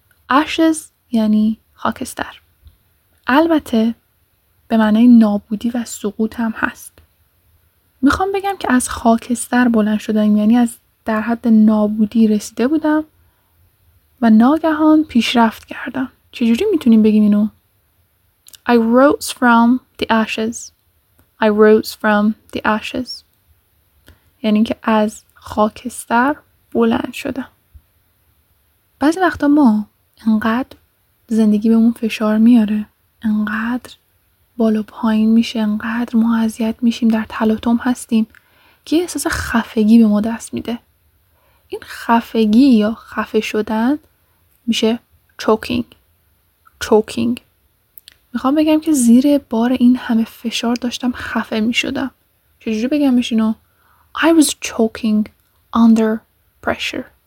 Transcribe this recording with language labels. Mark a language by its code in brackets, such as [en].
[fa] عشق یعنی خاکستر. البته به معنی نابودی و سقوط هم هست. میخوام بگم که از خاکستر بلند شدم, یعنی از در حد نابودی رسیده بودم و ناگهان پیشرفت کردم. چجوری میتونیم بگیم اینو؟ [en] I rose from the ashes. I rose from the ashes. [fa] یعنی که از خاکستر بلند شدم. بعضی وقتا ما انقدر زندگی بهمون فشار میاره, انقدر بالا پایین میشه, انقدر ما اذیت میشیم, در تلاطم هستیم که احساس خفگی به ما دست میده. این خفگی یا خفه شدن میشه choking. میخوام بگم که زیر بار این همه فشار داشتم خفه میشدم. چجوری بگمش اینو؟ [en] I was choking under pressure.